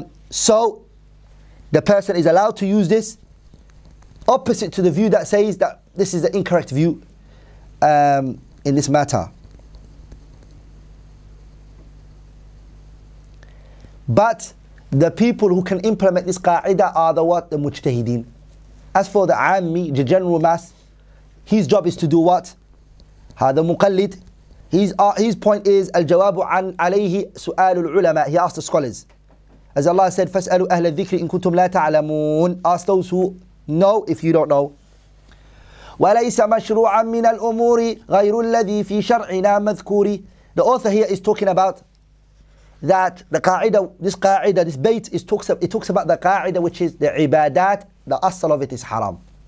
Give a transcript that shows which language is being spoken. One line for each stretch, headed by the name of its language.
English: So the person is allowed to use this opposite to the view that says that this is the incorrect view in this matter. But the people who can implement this qa'idah are the mujtahideen. As for the ammi, the general mass, his job is to do what?
Arabic: هذا مقلد.
English: His point is
Arabic: الجواب عن عليه سؤال العلماء.
English: He asked the scholars. As Allah said,
Arabic: فَاسْأَلُوا أَهْلَ الذِّكْرِ إِن كُنْتُمْ لَا تَعْلَمُونَ.
English: Ask those who know if you don't know.
Arabic: وَلَيْسَ مَشْرُوعًا مِنَ الْأُمُورِ غَيْرُ الَّذِي فِي شَرْعِنَا مَذْكُورِ.
English: The author here is talking about that the qa'idah, this qa'idah, this bait, it talks about the qa'idah, which is the ibadat, the asl of it is haram.